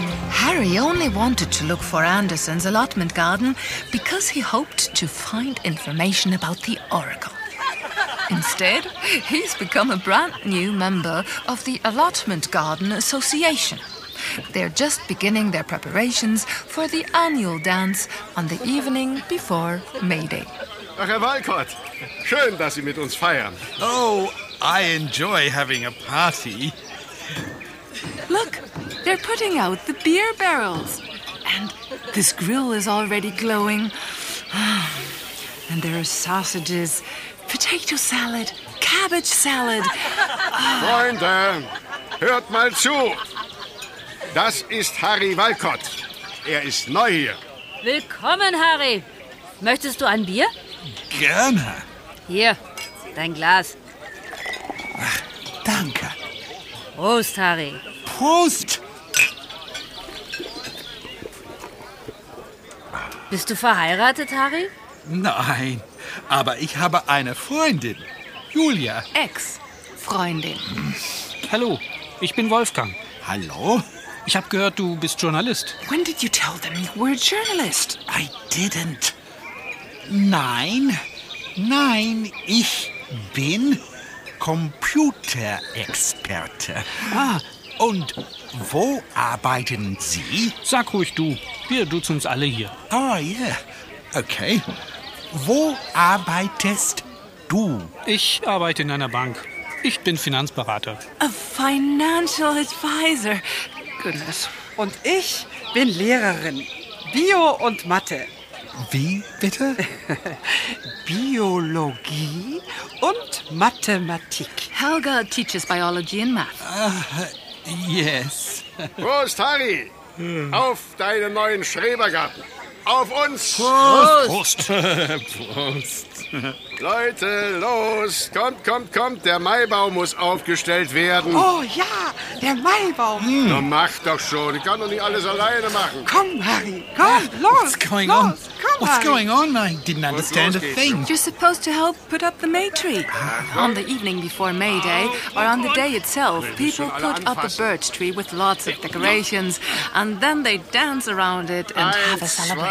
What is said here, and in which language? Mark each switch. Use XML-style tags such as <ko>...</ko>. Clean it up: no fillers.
<en>Harry only wanted to look for Anderson's allotment garden because he hoped to find information about the Oracle. Instead, he's become a brand new member of the Allotment Garden Association. They're just beginning their preparations for the annual dance on the evening before May Day.</en> <de>Ach, Herr Walcott, schön, dass Sie mit uns feiern.</de> <en>Oh, I enjoy having a party. Look, they're putting out the beer barrels. And this grill is already glowing. And there are sausages, potato salad, cabbage salad.</en> <de>Freunde, hört mal zu. Das ist Harry Walcott. Er ist neu hier. Willkommen, Harry. Möchtest du ein Bier? Gerne. Hier, dein Glas. Ach, danke. Prost, Harry. Prost. Bist du verheiratet, Harry? Nein, aber ich habe eine Freundin, Julia. Ex-Freundin. Hallo, ich bin Wolfgang. Hallo. Ich habe gehört, du bist Journalist.</de> <en>When did you tell them you were a journalist? I didn't.</en> <de>Nein, ich bin Computerexperte. Ah, und wo arbeiten Sie? Sag ruhig du, wir duzen uns alle hier.</de> <en>Oh, yeah, okay.</en> <de>Wo arbeitest du? Ich arbeite in einer Bank. Ich bin Finanzberater.</de> <en>A financial advisor. Goodness.</en> <de>Und ich bin Lehrerin. Bio und Mathe. Wie bitte? Biologie und Mathematik.</de> <en>Helga teaches biology and math. Yes.</en> <de>Prost, Harry. Auf deinen neuen Schrebergarten. Auf uns! Prost! Prost! Prost! Leute, los! Kommt! Der Maibaum muss aufgestellt werden. Oh ja, der Maibaum! Na, mach doch schon! Ich kann doch nicht alles alleine machen! Komm, Harry! Komm, los!</de> <en>What's going</en> <de>los,</de> <en>on?</en> <de>Komm,</de> <en>what's</en> <de>Harry.</de> <en>Going on? I didn't understand a thing. You're supposed to help put up the May tree. On the evening before May Day, or on the day itself, people put up a birch tree with lots of decorations, and then they dance around it and have a celebration.</en>